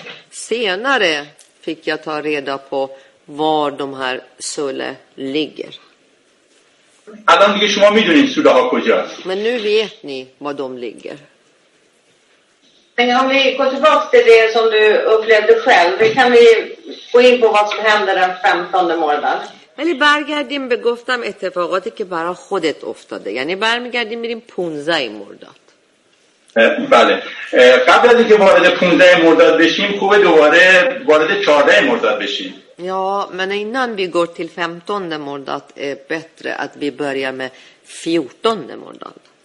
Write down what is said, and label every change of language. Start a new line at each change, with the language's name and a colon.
Swedish: Senare fick jag ta reda på var de här Sule ligger.
Persian: الان دیگه شما میدونید سوله ها کجاست.
Swedish: من نو vet ni var de ligger. Men om vi går tillbaka till det som du upplevde själv, vi kan vi gå in på vad som hände den 15 morgonen.
Persian: ولی برگردیم به گفتم اتفاقاتی که برای خودت افتاده. یعنی برمیگردیم میریم 15 مرداد. بله. قبل از اینکه وارد 15 مرداد بشیم، خوبه دوباره وارد 14 مرداد بشیم.
Swedish: Ja, men innan vi går till 15 mordat är det bättre att vi börjar med 14 mordat.